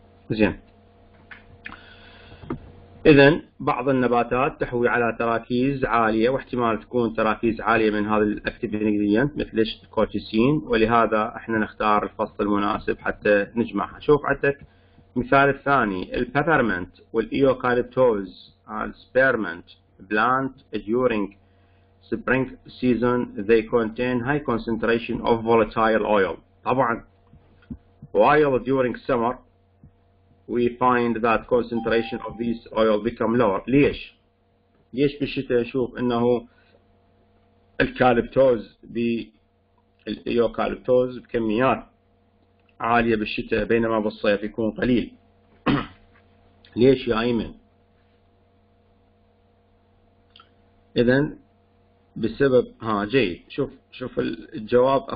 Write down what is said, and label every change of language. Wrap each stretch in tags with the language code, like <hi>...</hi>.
<ar>زين، اذا بعض النباتات تحوي على تراكيز عاليه، واحتمال تكون تراكيز عاليه من هذا الاكتيف انجريدينت مثل الكوتشيسين، ولهذا احنا نختار الفصل المناسب حتى نجمعها. شوف عندك مثال الثاني، البيبرمنت والايوكاليبتوز سبيرمنت بلانت</ar> <en>during spring season they contain high concentration of volatile oil. طبعا while during summer we find that concentration of these oil become lower.</en> <ar>ليش؟ ليش بالشتاء نشوف انه الكاليبتوز بالايوكاليبتوز بكميات عالية بالشتاء بينما بالصيف يكون قليل؟ ليش يا أيمن؟ إذا بسبب جيد، شوف شوف الجواب.</ar>